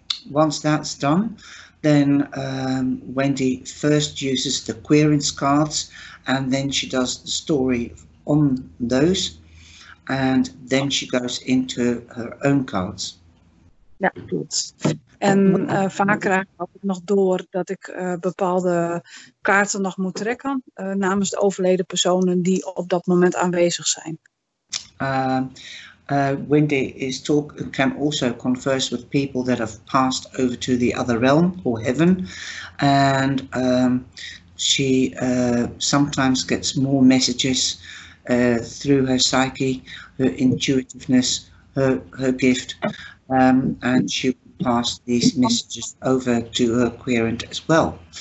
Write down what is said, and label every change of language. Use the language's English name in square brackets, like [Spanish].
[English] Once that's done, then Wendy first uses the querent's cards, and then she does the story on those, and then she goes into her own cards. [Dutch] Ja, klopt. En vaak krijg ik altijd nog door dat ik bepaalde kaarten nog moet trekken namens de overleden personen die op dat moment aanwezig zijn. [English] Wendy is can also converse with people that have passed over to the other realm or heaven, and she sometimes gets more messages through her psyche, her intuitiveness, her gift, and she passed these messages over to her querent as well.